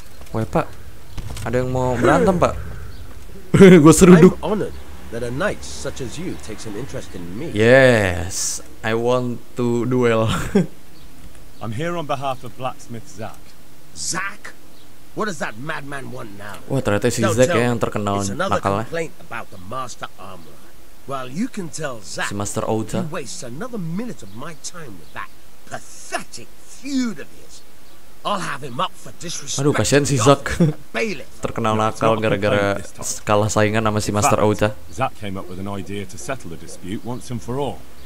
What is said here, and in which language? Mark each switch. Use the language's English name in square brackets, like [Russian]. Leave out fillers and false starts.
[Indonesian] Woi pak, ada yang mau berantem pak? Gue seruduk. [English] I'm honored that a knight such as you takes an interest in me. Yes, I want to duel. I'm here on behalf of blacksmith Zack. Zack? What does that madman want now? [Indonesian] Wah ternyata si Zack ya yang terkenal nakalnya. [English] Complaint about the master armor. Well, you can tell Zack. Si Master Ota. He wastes another minute of my time with that pathetic feud of his. I'll have him up for disrespect. [Indonesian] Aduh, kasihan si Zack. Terkenal nakal gara-gara kalah saingan sama si Master Ota. [English] Zack came up with an idea to settle the dispute once and for all.